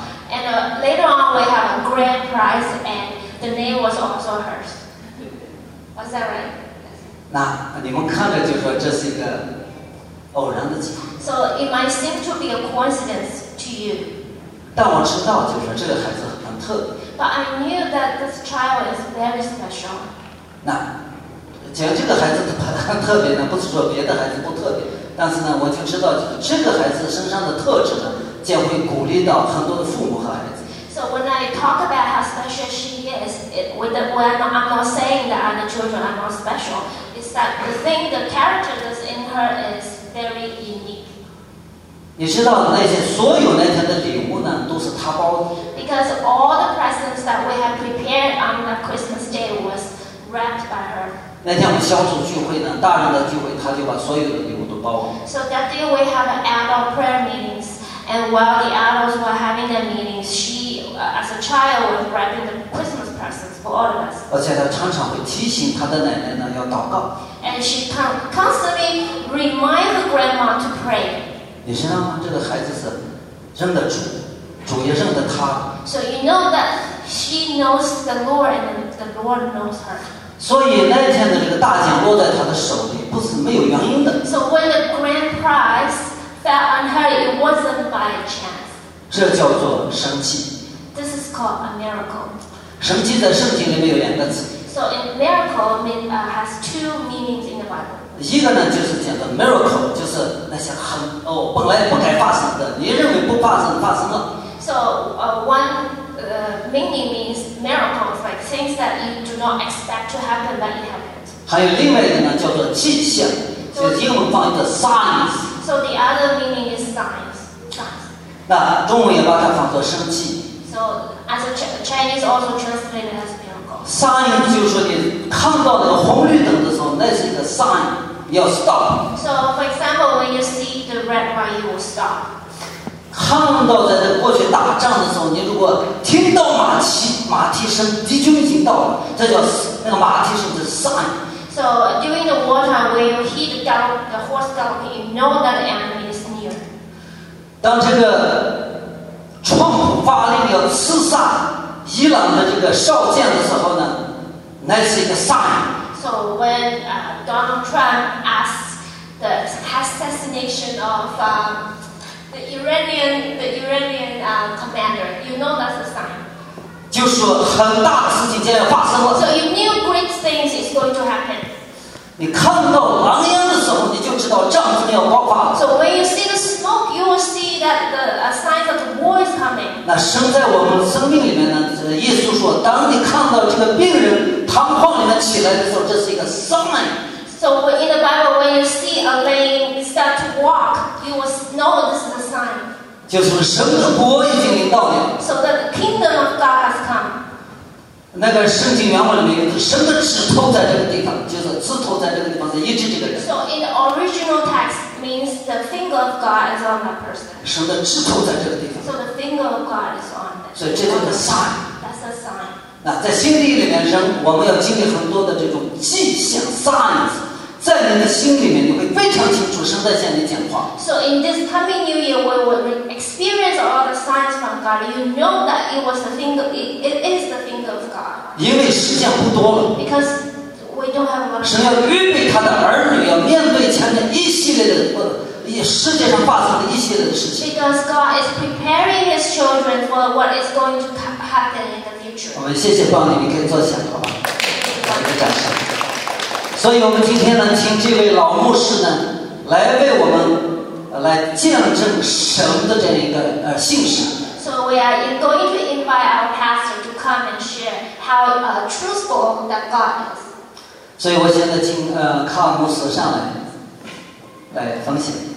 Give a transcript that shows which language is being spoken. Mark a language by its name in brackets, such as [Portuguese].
[English] And later on, we have a grand prize, and the name was also hers. Was that right? [Chinese] 那你们看着就说这是一个偶然的机会。 [English] So it might seem to be a coincidence to you. [Chinese] 但我知道，就说这个孩子很特别。 [English] But I knew that this child is very special. [Chinese] 那讲这个孩子他很特别呢，不是说别的孩子不特别，但是呢，我就知道这个孩子身上的特质呢，将会鼓励到很多的父母和孩子。 [English] So when I talk about how special she is, I'm not saying that other children are not special. It's that the thing, the character that's in her is very unique. [Chinese] 你知道那些所有那天的礼物呢，都是他包的。 [English] Because all the presents that we have prepared on the Christmas day was wrapped by her. [Chinese] 那天我们小组聚会呢，大人的聚会，他就把所有的礼物都包了。 [English] So that day we have adult prayer meetings, and while the adults were having their meetings, she, as a child, was wrapping the Christmas presents for all of us. [Chinese] 而且她常常会提醒她的奶奶呢要祷告。 [English] And she constantly remind the grandma to pray. [Chinese] 你知道吗？这个孩子是真的主。主也认得他。 [English] So you know that she knows the Lord and the Lord knows her. [Chinese] 所以那天的这个大奖落在他的手里，不是没有原因的。 [English] So when the grand prize fell on her, it wasn't by chance. [Chinese] 这叫做神迹。 [English] This is called a miracle. [Chinese] 神迹在圣经里面有两个字。 [English] So a miracle has two meanings in the Bible. [Chinese] 一个呢就是讲的 miracle， 就是那些很本来不该发生的，你认为不发生发生了。 [English] So one meaning means miracles, like things that you do not expect to happen but it happened. [Chinese] 还有另外一个呢叫做迹象，就是英文翻译的 signs。 [English] So the other meaning is signs. [Chinese] 那中文也把它翻作神迹。 [English] So as Chinese also translated as miracle. [Chinese] Sign 就是说你看到那个红绿灯的时候，那是一个 sign。要 stop. [English] So, for example, when you see the red light, you will stop. [Chinese] 他们到在这过去打仗的时候，你如果听到马蹄声，敌军已经到了，这叫那个马蹄声是 sign。 [English] So during the wartime, when you hear the horse galloping, you know that the enemy is near. [Chinese] 当这个川普发令要刺杀伊朗的这个少将的时候呢，那是一个 sign。 [English] So when Donald Trump asks the assassination of the Iranian commander, you know that's a sign. [Chinese] 就是很大的事情将要发生了。 [English] So you knew great things is going to happen. [Chinese] 你看到狼烟的时候，你就知道战争要爆发了。 [English] So when you see the smoke, you will see that the signs of the war is coming. [Chinese] 那生在我们生命里面呢？耶稣说，当你看到这个病人瘫痪里面起来的时候，这是一个 sign。 [English] So in the Bible, when you see a lame start to walk, you will know this is a sign. [Chinese] 就是神的国已经临到了。 [English] So that the kingdom of God has come. [Chinese] 那个圣经原文里面，神的指头在这个地方，就是指头在这个地方在医治这个人。 [English] So in the original text means the finger of God is on that person. [Chinese] 神的指头在这个地方。 [English] So the finger of God is on that. [Chinese] 所以这就是 sign. [English] That's a sign. [Chinese] 那在心里里面生，我们要经历很多的这种迹象 signs， 在你的心里面，你会非常清楚神在向你讲话。 [English] So in this coming New Year, we will experience all the signs from God. You know that it was the thing of it is the thing of God. [Chinese] 因为时间不多了。 [English] Because we don't have much. [Chinese] 神要预备他的儿女要面对前面一系列的世界上发生的一系列的事情。 [English] Because God is preparing His children for what is going to happen in the future. [Chinese] 我们谢谢邦尼，你可以坐下，好吧？来，一个掌声。所以，我们今天呢，请这位老牧师呢，来为我们来见证神的这一个信实。 [English] So we are going to invite our pastor to come and share how truthful that God is. [Chinese] 所以我现在请卡尔牧师上来。来分享。